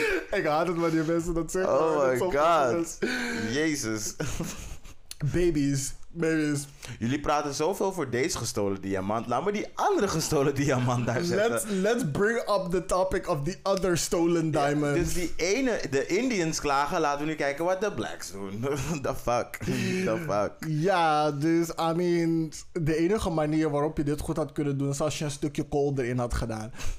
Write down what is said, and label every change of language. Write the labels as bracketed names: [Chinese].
[Dutch] Ik haat het wanneer mensen dat zeggen. [English] Oh my god. Jezus. Babies. [Dutch] Jullie praten zoveel voor deze gestolen diamant. Laat maar die andere gestolen diamant daar zetten. [English] Let's bring up the topic of the other stolen diamond. [Dutch] Dus die ene, de Indians klagen. Laten we nu kijken wat de blacks doen. [English] The fuck. [Dutch] Ja, dus [English] I mean, [Dutch] de enige manier waarop je dit goed had kunnen doen is als je een stukje kool erin had gedaan.